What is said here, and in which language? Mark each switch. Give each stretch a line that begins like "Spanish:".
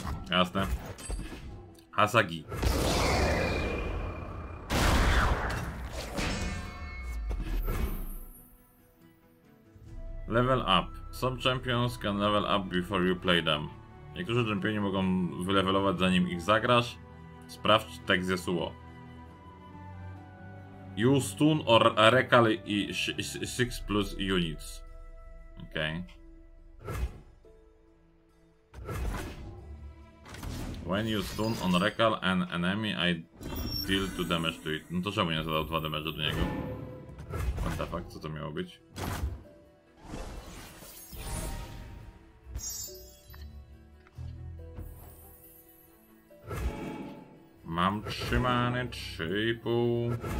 Polish: Jasne. Hasagi.
English: Level up. Some champions can level up before you play them.
Polish: Niektórzy czempioni mogą wylevelować zanim ich zagrasz. Sprawdź tekst Yasuo.
English: Use stun or recall i 6 plus units. Okej. Okay. When you stun on recall an enemy, I deal 2 damage to it.
Polish: No to czemu nie zadał 2 damage do niego?
English: What the fuck,
Polish: co to miało być? Mam 3 many, 3,5.